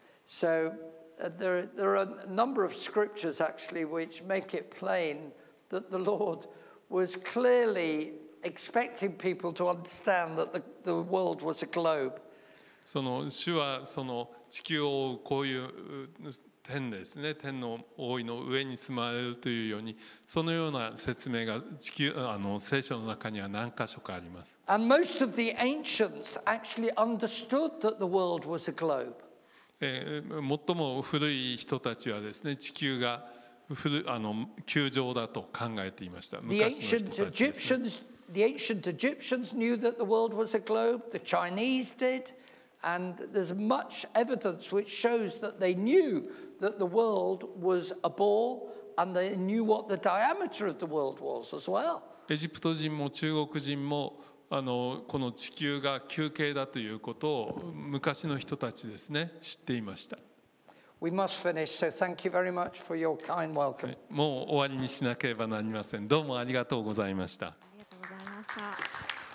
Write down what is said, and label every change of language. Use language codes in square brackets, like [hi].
[en] So there are a number of scriptures actually which make it plain that the Lord was clearly expecting people to understand that the world was a globe. [ja] その主はその地球をこういう天ですね、天の覆いの上に住まれるというようにそのような説明が地球あの聖書の中には何箇所かあります。 [en] And most of the ancients actually understood that the world was a globe. [ja] 最も古い人たちはですね、地球が古あの球状だと考えていました。昔の人たちですね。 [en] The ancient Egyptians knew that the world was a globe. The Chinese did, and there's much evidence which shows that they knew that the world was a ball, and they knew what the diameter of the world was as well. [ja] エジプト人も中国人も。あのこの地球が球形だということを昔の人たちですね知っていました。 [en] We must finish, so thank you very much for your kind welcome. [ja] もう終わりにしなければなりません。どうもありがとうございました。ありがとうございました。